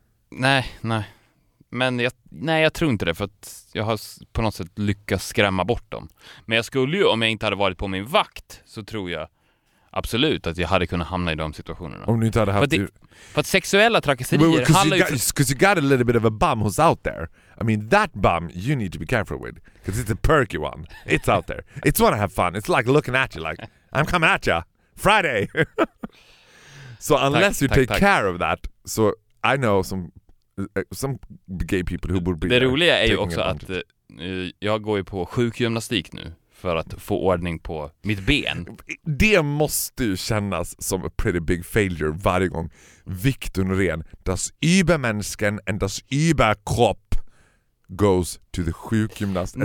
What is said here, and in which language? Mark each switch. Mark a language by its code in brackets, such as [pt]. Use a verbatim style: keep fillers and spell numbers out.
[sv] Nej, nej. Men jag, nej, jag tror inte det för att jag har på något sätt lyckats skrämma bort dem. Men jag skulle ju, om jag inte hade varit på min vakt så tror jag absolut att jag hade kunnat hamna i de situationerna. Om du inte hade haft... För att, det, för att sexuella trakasserier handlar ju... [en] Because you got a little bit of a bum who's out there. I mean, that bum you need to be careful with. Because it's a perky one. It's out there. It's wanna have fun. It's like looking at you like, I'm coming at you. Friday! So unless [sv] Tack, [en] you [sv] tack, [en] take [sv] tack. [en] care of that, so I know some some gay people who would be. [sv] Det roliga är ju också att eh, jag går ju på sjukgymnastik nu för att få ordning på mitt ben. Det måste ju kännas som [en] a pretty big failure [sv] varje gång [en] Victor Norén, das Übermänniskan and das Überkropp goes to the sjukgymnast at the